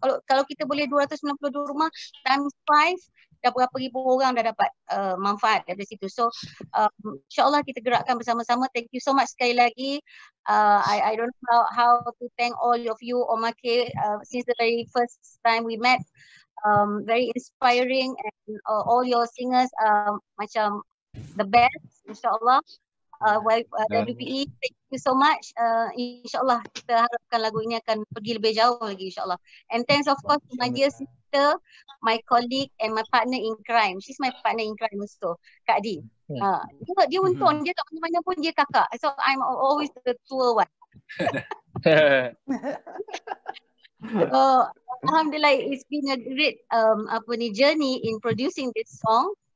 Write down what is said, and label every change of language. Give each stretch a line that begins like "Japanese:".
Malay: Kalau kalau kita boleh 292 rumah, times 5, dah berapa ribu orang dah dapat manfaat dari situ. So, insyaAllah kita gerakkan bersama-sama.
English: Thank you so much
Malay: sekali lagi.
English: I don't know how to thank all of you, Omake, since the very first time we met. Very inspiring and all your singers macam the best, insyaAllah. WPE, thank you so much.
Malay: InsyaAllah kita harapkan lagu ini akan pergi lebih jauh lagi, insyaAllah.
English: And thanks of course to my dear sister, my colleague and my partner in crime. She's my partner in crime also,
Malay: Kak Di. Dia untung, dia tak mana-mana pun dia kakak.
English: So I'm always the tour one. So, Alhamdulillah, it's been a great journey in producing this song.